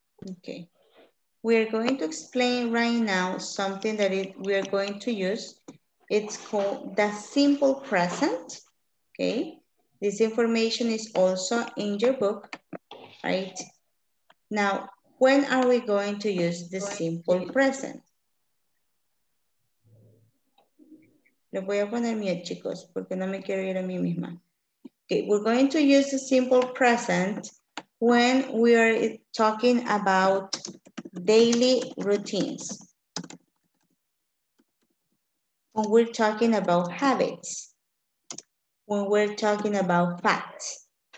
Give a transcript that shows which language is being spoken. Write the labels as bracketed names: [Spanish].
[English] Okay. We are going to explain right now something that we are going to use. It's called the simple present, okay? This information is also in your book, right? Now, when are we going to use the simple present? [Spanish] Le voy a poner mute, chicos, porque no me quiero ir a mí misma. [English] Okay, we're going to use the simple present when we are talking about daily routines. When we're talking about habits. When we're talking about facts.